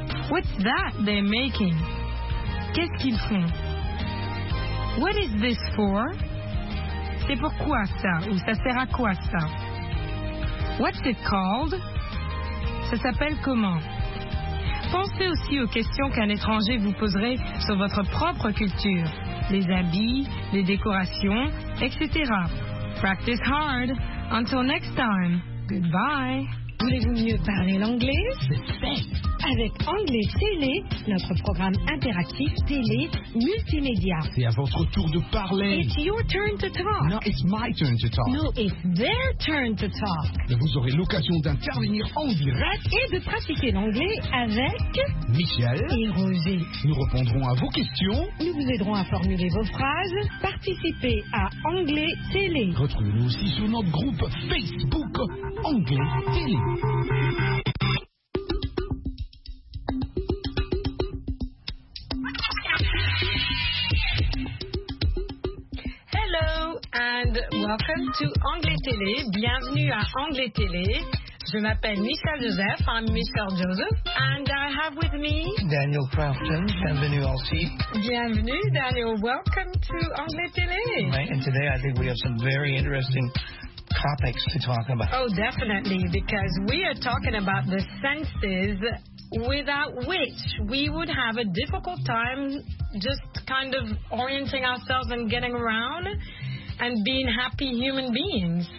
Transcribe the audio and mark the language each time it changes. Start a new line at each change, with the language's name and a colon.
English: What's that they're making?
French: Qu'est-ce qu'ils font?
English: What is this for?
French: C'est pourquoi ça? Ou ça sert à quoi ça?
English: What's it called?
French: Ça s'appelle comment? Pensez aussi aux questions qu'un étranger vous poserait sur votre propre culture. Les habits, les décorations, etc.
English: Practice hard. Until next time. Goodbye.
French: Voulez-vous mieux parler l'anglais? Avec Anglais Télé, notre programme interactif télé multimédia. C'est à votre tour de parler.
English: It's your turn to talk. No, it's my turn to talk. No, it's their turn to talk.
French: Vous aurez l'occasion d'intervenir en direct et de pratiquer l'anglais avec Michel et Rosé. Nous répondrons à vos questions. Nous vous aiderons à formuler vos phrases. Participez à Anglais Télé. Retrouvez-nous aussi sur notre groupe Facebook Anglais Télé.
English: And welcome to Anglais Télé.
French: Bienvenue à Anglais Télé. Je m'appelle Michel Joseph.
English: I'm Michel Joseph. And I have with me
French: Daniel Crafton. Bienvenue aussi. Bienvenue, Daniel.
English: Welcome to Anglais Télé. Right, and today I think we have some very interesting topics to talk about. Oh, definitely, because we are talking about the senses without which we would have a difficult time just kind of orienting ourselves and getting around and being happy human beings.